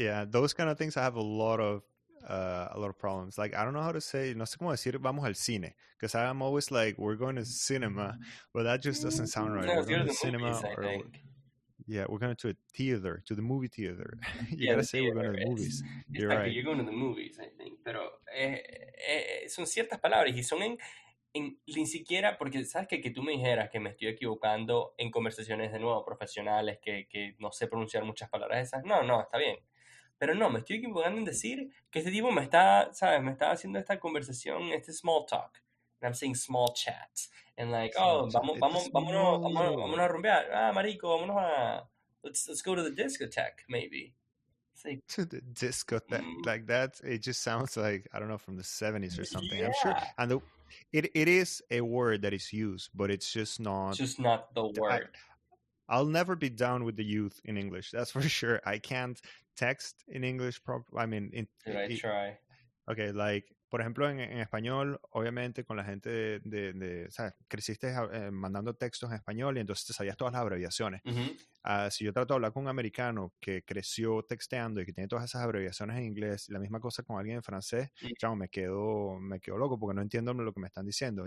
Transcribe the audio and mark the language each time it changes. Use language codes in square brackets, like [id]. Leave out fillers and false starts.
[en] Those kind of things I have a lot of problems. Like, I don't know how to say, [es] no sé cómo decir vamos al cine, [en] because I'm always like, we're going to cinema, but that just doesn't sound right. No, we're going to the cinema, movies, or, we're going to a theater, to the movie theater. You gotta say we're going to the movies. You're right. You're going to the movies, I think. [es] Pero son ciertas palabras y son en ni siquiera, porque sabes que tú me dijeras que me estoy equivocando en conversaciones de nuevo profesionales que no sé pronunciar muchas palabras esas. No, está bien. Pero no, me estoy equivocando en decir que este tipo me está, ¿sabes? Me está haciendo esta conversación, este small talk. [en] And I'm saying small chat. And like, small chat. [es] Vámonos a rumbear. Ah, marico, vámonos a... [en] Let's go to the discotheque, maybe. Like, to the discotheque. Mm-hmm. Like that, it just sounds like, I don't know, from the 70s or something. Yeah. I'm sure. And it is a word that is used, but it's just not... Just not the word. I'll never be down with the youth in English. That's for sure. I can't text in English. Try? [es] Okay, like, por ejemplo, en español, obviamente, con la gente de o sea, creciste mandando textos en español y entonces te sabías todas las abreviaciones. Mm-hmm. Si yo trato de hablar con un americano que creció texteando y que tiene todas esas abreviaciones en inglés, la misma cosa con alguien en francés, chao, me quedo loco porque no entiendo lo que me están diciendo.